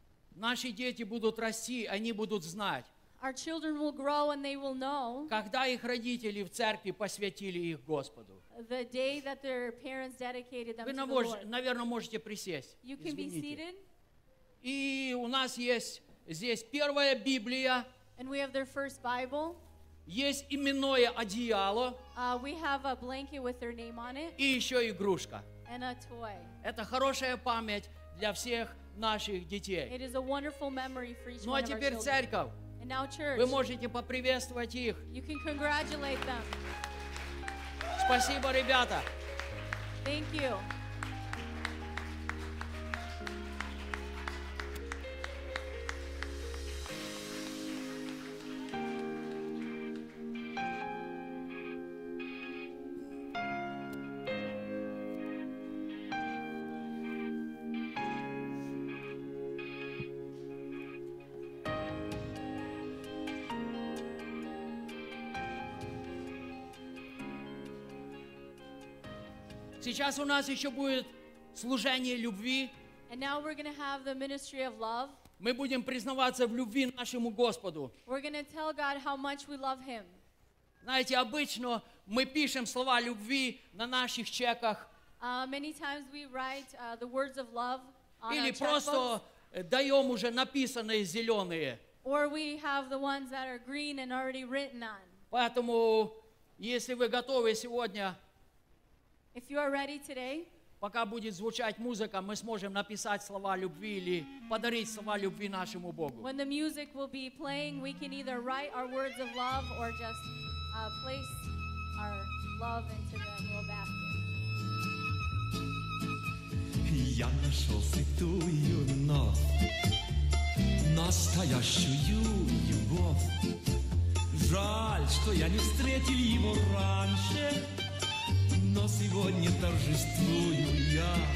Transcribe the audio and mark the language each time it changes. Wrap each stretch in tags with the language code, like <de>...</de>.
<ru>Наши дети будут расти, они будут знать.</ru> <en>Our children will grow and they will know.</en> <ru>Когда их родители в церкви посвятили их Господу.</ru> <en>The day that their parents dedicated them</en> <ru>вы,</ru> <en>to the Lord.</en> <ru>Наверное, можете присесть.</ru> <en>You can</en> <ru>Извините.</ru> <en>Be seated.</en> <ru>И у нас есть здесь первая Библия.</ru> <en>And we have their first Bible.</en> <ru>Есть именное одеяло.</ru> <en>We have a blanket with their name on it.</en> <ru>И еще игрушка.</ru> <en>And a toy.</en> <ru>Это хорошая память для всех наших детей.</ru> <en>It is a wonderful memory for each</en> <ru>ну,</ru> <en>one of our</en> <ru>церковь.</ru> <en>Children. And now church.</en> <ru>Вы можете поприветствовать их.</ru> <en>You can congratulate them.</en> <ru>Спасибо, ребята.</ru> <en>Thank you. Thank you.</en> <ru>Сейчас у нас еще будет служение любви.</ru> <en>And now we're going to have the ministry of love.</en> <ru>Мы будем признаваться в любви нашему Господу.</ru> <en>We're going to tell God how much we love Him.</en> <ru>Знаете, обычно мы пишем слова любви на наших чеках.</ru> <en>Many times we write the words of love on our checkbooks.</en> <ru>Или просто даем уже написанные зеленые.</ru> <en>Or we have the ones that are green and already written on.</en> <ru>Поэтому, если вы готовы сегодня,</ru> <en>if you are ready today,</en> <ru>пока будет звучать музыка, мы сможем написать слова любви или подарить слова любви нашему Богу.</ru> <en>When the music will be playing, we can either write our words of love or just place our love into the little basket.</en> <ru>Я нашел святую любовь, настоящую любовь. Жаль, что я не встретил его раньше, но сегодня торжествую я.</ru>